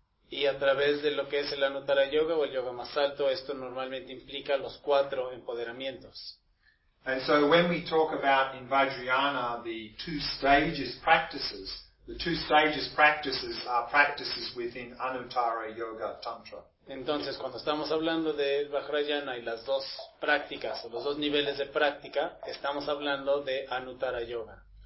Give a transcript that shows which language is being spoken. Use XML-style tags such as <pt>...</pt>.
<es>Y a través de lo que es el Anuttara Yoga o el yoga más alto, esto normalmente implica los cuatro empoderamientos.</es> <en>And so when we talk about in Vajrayana the two stages practices, the two stages practices are practices within Anuttara Yoga Tantra.</en> <es>Entonces, cuando estamos hablando de Vajrayana y las dos prácticas, o los dos niveles de práctica, estamos hablando de Anuttara Yoga.</es>